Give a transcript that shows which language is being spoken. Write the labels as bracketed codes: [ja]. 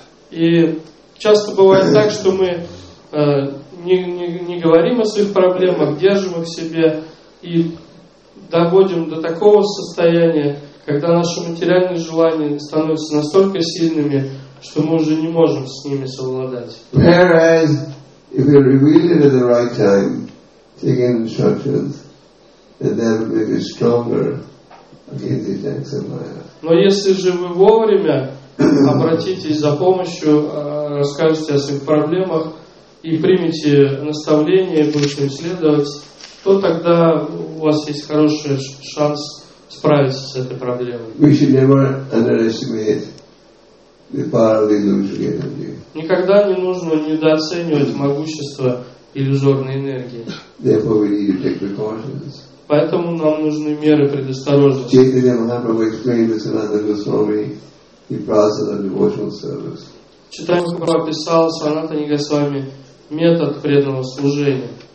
[ru] И часто бывает так, что мы не говорим о своих проблемах, держим их в себе и доводим до такого состояния, когда наши материальные желания становятся настолько сильными, что мы уже не можем с ними совладать. [en] Whereas If we reveal it at the right time, taking instructions, then that will make it stronger against the attacks of Maya. [ru] Но если же вы вовремя обратитесь за помощью, расскажете о своих проблемах и примете наставление, будете следовать, то тогда у вас есть хороший шанс справиться с этой проблемой. [en] We should never underestimate the power of illusory energy. [ru] Никогда не нужно недооценивать могущество иллюзорной энергии. [en] Therefore, we need to take precautions. [ru] Поэтому нам нужны меры предосторожности. Чайтанья Махапрабху описал Санатани Госвами метод преданного служения.